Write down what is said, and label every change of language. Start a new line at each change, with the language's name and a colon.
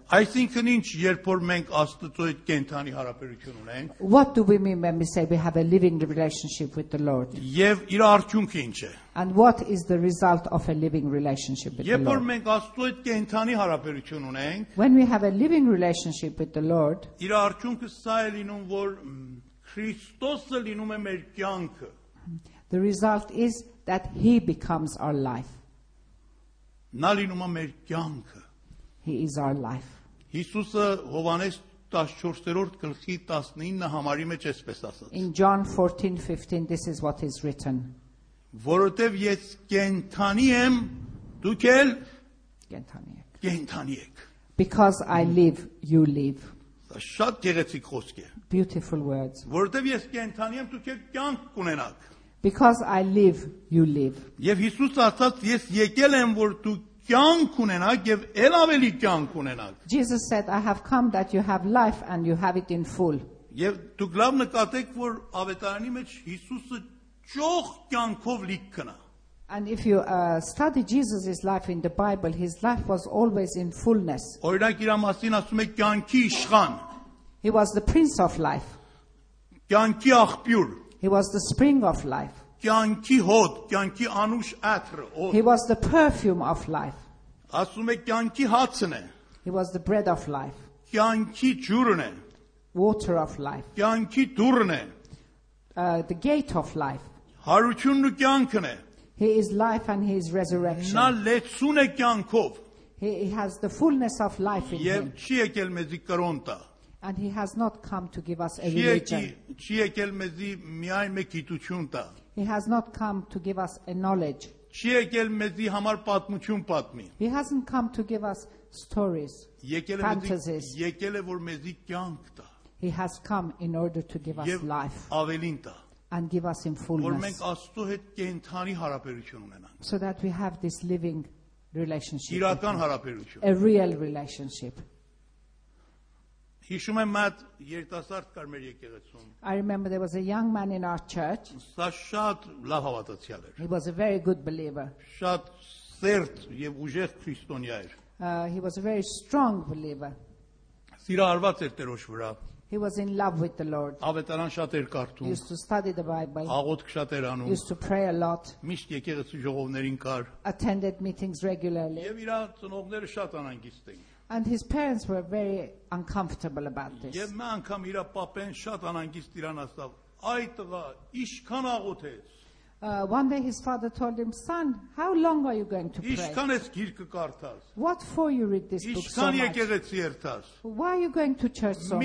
English: I think
Armenian: ինչ երբ որ մենք Աստծո հետ կենթանի հարաբերություն ունենք.
English: What do we mean when we say we have a living relationship with the Lord?
Armenian: Եվ իր արդյունքը ինչ է?
English: And what is the result of a living relationship with the Lord?
Armenian: Երբ որ մենք Աստծո հետ կենթանի հարաբերություն ունենք.
English: When we have a living relationship with the Lord.
Armenian: Իր արդյունքը սա է լինում, որ Քրիստոսը լինում է մեր կյանքը.
English: The result is that he becomes our life.
Armenian: Նա լինում է մեր կյանքը.
English: He is our life.
Armenian: Հիսուսը Հովանես 14-րդ գլխի 19-ը համարի մեջ էսպես ասաց.
English: In John 14:15 this is what is written.
Armenian: Որովհետև ես կենթանի եմ, դուք էլ կենթանի եք. Կենթանի եք.
English: Because I live, you live.
Armenian: Սա շատ գեղեցիկ խոսք է.
English: Beautiful words.
Armenian: Որովհետև ես կենթանի եմ, դուք էլ կյանք կունենաք.
English: Because I live, you live.
Armenian: Եվ Հիսուս ասաց, ես եկել եմ, որ դու կյանք ունենաք եւ ել ավելի կյանք ունենաք.
English: Jesus said, I have come that you have life and you have it in full.
Armenian: Եվ դուք լավ նկատեք, որ ավետարանի մեջ Հիսուսը ճոխ կյանքով լի կնա.
English: And if you study Jesus' life in the Bible, his life was always in fullness.
Armenian: Օրինակ իր մասին ասում է կյանքի իշխան.
English: He was the prince of life.
Armenian: Կյանքի աղբյուր.
English: He was the spring of life.
Armenian: Կյանքի հոտ, կյանքի անուշ ատր, օդ.
English: He was the perfume of life.
Armenian: Ասում է կյանքի հացն է.
English: He was the bread of life.
Armenian: Կյանքի ջուրն է.
English: Water of life.
Armenian: Կյանքի դուռն է.
English: The gate of life.
Armenian: Հարությունն ու կյանքն է.
English: He is life and he is resurrection.
Armenian: Նա լեցուն է կյանքով.
English: He has the fullness of life in him.
Armenian: Եվ չի եկել մեզի կրոնտա.
English: And he has not come to give us a religion.
Armenian: Չի եկել մեզի միայն մեկ գիտություն տա.
English: He has not come to give us a knowledge.
Armenian: Չի եկել մեզի համար պատմություն պատմի.
English: He hasn't come to give us stories.
Armenian: Եկել մեզի, եկել է որ մեզի կյանք տա.
English: He has come in order to give us life.
Armenian: Եվ ավելին տա.
English: And give us in fullness.
Armenian: Որ մենք Աստծո հետ կենթանի հարաբերություն ունենանք.
English: So that we have this living relationship.
Armenian: Իրական հարաբերություն.
English: A real relationship.
Armenian: Հիշում եմ մատ երիտասարդ կար մեր եկեղեցում.
English: I remember there was a young man in our church.
Armenian: Սա շատ լավ հավատացյալ էր.
English: He was a very good believer.
Armenian: Շատ սերտ եւ ուժեղ քրիստոնյա էր.
English: He was a very strong believer.
Armenian: Սիրահարված էր Տերոջ վրա.
English: He was in love with the Lord.
Armenian: Ավետարան շատ էր կարդում.
English: Used to study the Bible.
Armenian: Աղոթք շատ էր անում.
English: Used to pray a lot.
Armenian: Միշտ եկեղեցու ժողովներին կար.
English: Attended meetings regularly.
Armenian: Եվ իր ծնողները շատ անհանգիստ էին.
English: And his parents were very uncomfortable about this.
Armenian: Եմ անգամ իր պապեն շատ անհանգիստ իրան ասավ. Այ տղա, ինչքան աղոթես?
English: One day his father told him, son, how long are you going to pray?
Armenian: Ինչքան ես գիրք կարդաս?
English: What for you read this book so much?
Armenian: Ինչքան եկեղեցի երթաս?
English: Why are you going to church so much?